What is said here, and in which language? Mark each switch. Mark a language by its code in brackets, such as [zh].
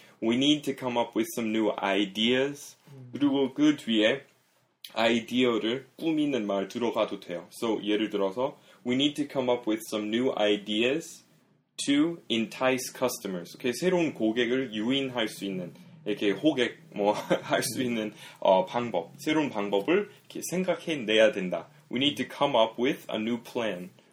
[en] We need to come up with some new ideas. [ko] 그리고 그 뒤에 아이디어를 꾸미는 말 들어가도 돼요. [en] So [ko] 예를 들어서 [en] we need to come up with some new ideas to entice customers. [ko] Okay, 새로운 고객을 유인할 수 있는 이렇게 호객 뭐 할 수 있는 방법, 새로운 방법을 이렇게 생각해 내야 된다. [en] We need to come up with a new plan.